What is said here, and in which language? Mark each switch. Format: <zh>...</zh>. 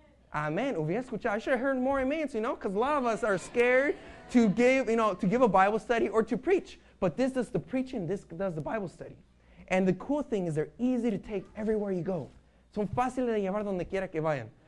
<es>Amén. Hubiera escuchado.</es> <en>I should have heard more amens, you know, because a lot of us are scared to give, you know, to give a Bible study or to preach. But this does the preaching. This does the Bible study. And the cool thing is they're easy to take everywhere you go.</en> <es>Son fáciles de llevar donde quiera que vayan.</es>